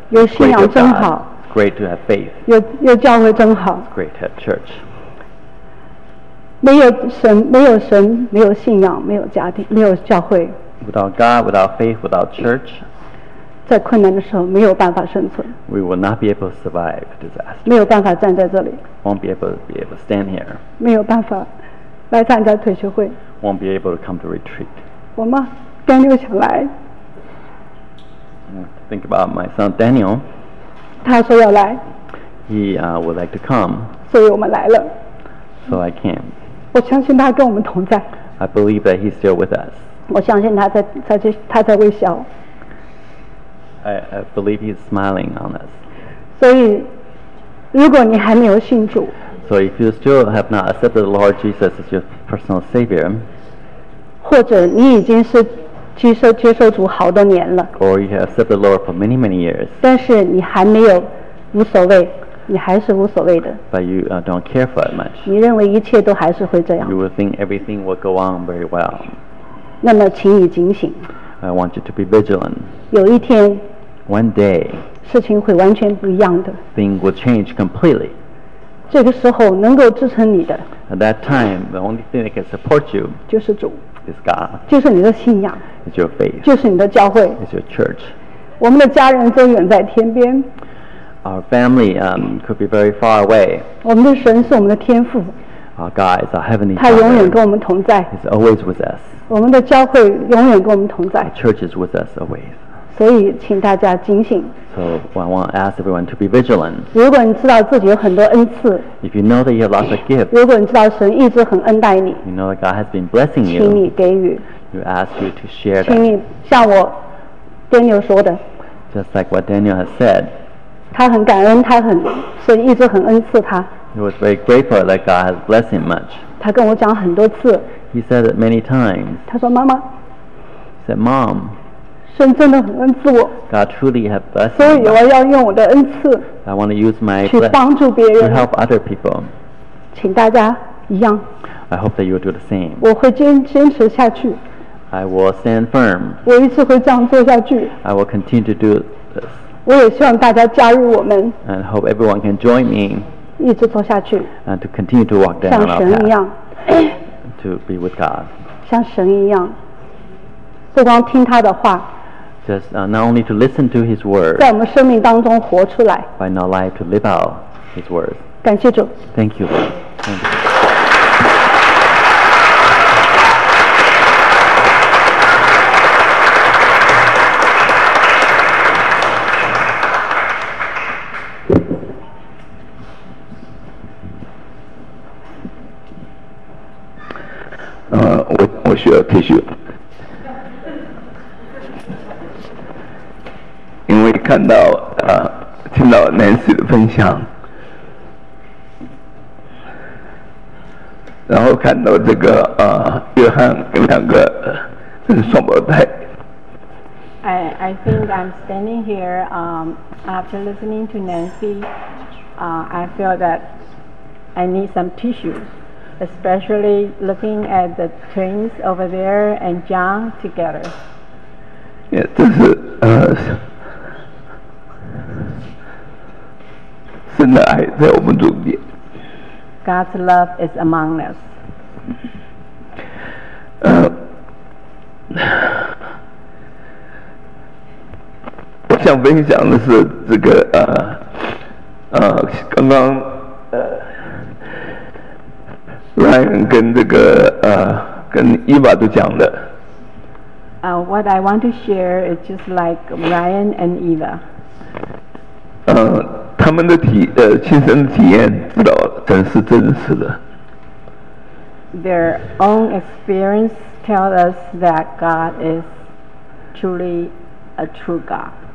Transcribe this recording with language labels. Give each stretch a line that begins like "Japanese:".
Chinese: 有信仰真好
English: It's great to have faith.
Chinese: 有教会真好。
English: It's great to have church.
Chinese: 没有神，没有神，没有信仰，没有家庭，没有教会。
English: Without God, without faith, without church.
Chinese: 在困难的时候没有办法生存。
English: We will not be able to survive disaster.
Chinese: 没有办法站在这里。
English: Won't be able to stand here.
Chinese: 没有办法来参加退休会。
English: Won't be able to come to retreat.
Chinese: 我吗？丹尼尔想来。
English: Think about my son Daniel.
Chinese: 他说要来
English: He would like to come
Chinese: 所以我们来了
English: So I came
Chinese: 我相信他跟我们同在
English: I believe that he's still with us
Chinese: 我相信他在微笑
English: I believe he's smiling on us
Chinese: 所以如果你还没有信主
English: So if you still have not accepted the Lord Jesus as your personal savior
Chinese: 或者你已经是接受主好多年了
English: or you have served the Lord for many many years
Chinese: 但是你还没有无所谓你还是无所谓的
English: but you don't care for it much
Chinese: 你认为一切都还是会这样
English: you will think everything will go on very well
Chinese: 那么请你警醒
English: I want you to be vigilant
Chinese: 有一天
English: one day
Chinese: 事情会完全不一样的
English: things will change completely
Chinese: 这个时候能够支撑你的
English: at that time the only thing that can support you
Chinese: 就是主
English: Is God.
Chinese: 就是你的信仰
English: It's your faith.
Chinese: 就是你的教会
English: It's your church.
Chinese: 我们的家人都远在天边
English: Our family could be very far away.
Chinese: 我们的神是我们的天父
English: Our God is our heavenly
Chinese: Father. 他永远跟我们同在
English: He's always with us.
Chinese: 我们的教会永远跟我们同在
English: Our church is with us always.
Chinese: 所以请大家警醒
English: So why I want to ask everyone to be vigilant.
Chinese: 如果你知道自己有很多恩赐,
English: if you know that you have lots of gifts,
Chinese: 如果你知道神一直很恩待你,
English: you know that God has been blessing you,
Chinese: 请你给予,
English: you ask you to share that.
Chinese: 请你像我 Daniel 说的,
English: just like what Daniel has said,
Chinese: 他很感恩, 他很, 神一直很恩赐他。
English: He was very grateful that God has blessed him much.
Chinese: 他跟我讲很多次,
English: he said it many times.
Chinese: 他说妈妈,
English: he said, Mom,
Chinese: 神真的很恩赐我
English: God truly have blessed me.
Chinese: 所以我要用我的恩赐
English: I want to use my
Chinese: 去帮助别人
English: to help other people.
Chinese: 请大家一样
English: I hope that you will do the same.
Chinese: 我会坚持下去
English: I will stand firm.
Chinese: 我一直会这样做下去
English: I will continue to do this.
Chinese: 我也希望大家加入我们
English: and hope everyone can join me.
Chinese: 一直做下去
English: and to continue to walk down our path.
Chinese: 像神一样
English: to be with God.
Chinese: 像神一样不光听他的话
English: Just not only to listen to His word,
Chinese: 在我们生命当中活出来
English: but not like to live out His word.
Chinese: 感谢主。
English: Thank you. Thank you.
Chinese: 我需要退休。看到听到 Nancy 的分享，然后看到这个约翰跟两个双胞胎。
English: I think I'm standing here after listening to Nancy. I feel that I need some tissues, especially looking at the twins over there and John together.
Chinese: Yeah, 这是真的爱在我们中间。
English: God's love is among us.
Chinese: 我想分享的是这个刚刚Ryan 跟这个跟Eva都讲的。
English: What I want to share is just like Ryan and Eva.
Chinese: 他们的亲身体验知道真是真实的。
English: Their own experience tells us that God is truly a true God.